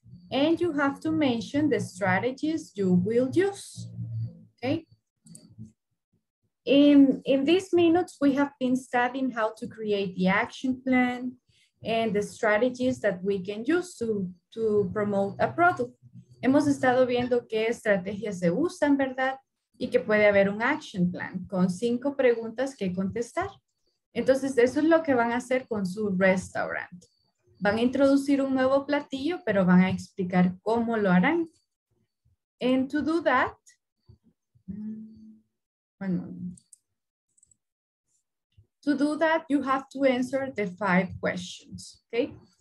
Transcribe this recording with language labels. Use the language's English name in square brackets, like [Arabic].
[English] And you have to mention the strategies you will use, okay? In these minutes, we have been studying how to create the action plan and the strategies that we can use to promote a product. [Spanish] Hemos estado viendo qué estrategias se usan, ¿verdad? Y que puede haber un action plan con 5 preguntas que contestar. Entonces, eso es lo que van a hacer con su restaurant. Van a introducir un nuevo platillo, pero van a explicar cómo lo harán. [English] And to do that, you have to answer the 5 questions, okay?